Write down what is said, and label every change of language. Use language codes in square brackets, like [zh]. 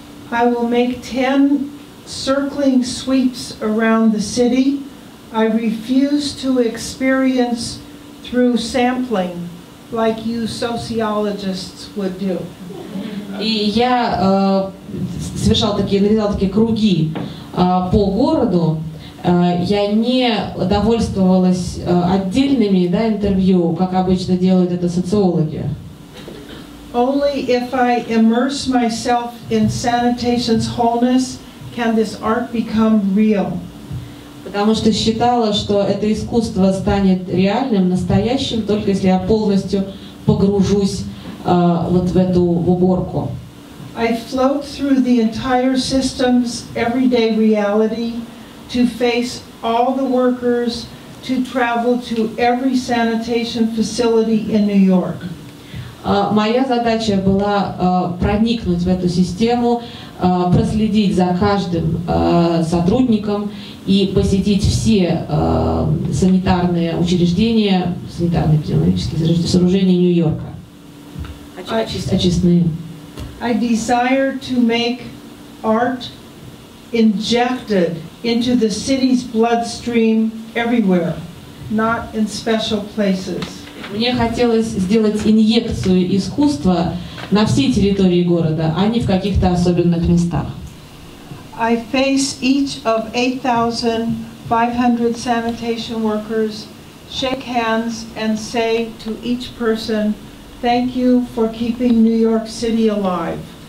[en] I will make 10 circling sweeps around the city. I refuse to experience through sampling, like you sociologists would do. [ru] И я совершала такие, нарезала такие круги по городу. Я не довольствовалась отдельными, да, интервью, как обычно делают это социологи. [en] Only if I immerse myself in sanitation's wholeness can this art become real. [ru] Потому что считала, что это искусство станет реальным, настоящим, только если я полностью погружусь вот в эту уборку. [en] I float through the entire system's everyday reality to face all the workers, to travel to every sanitation facility in New York. [ru] Моя задача была проникнуть в эту систему, проследить за каждым сотрудником и посетить все санитарные учреждения, санитарно-эпидемиологические сооружения Нью-Йорка. Очистные. [en] I desire to make art injected into the city's bloodstream everywhere, not in special places. [ru] Мне хотелось сделать инъекцию искусства на всей территории города, а не в каких-то особенных местах. [en] I face each of 8,500 sanitation workers, shake hands and say to each person, thank you for keeping New York City alive.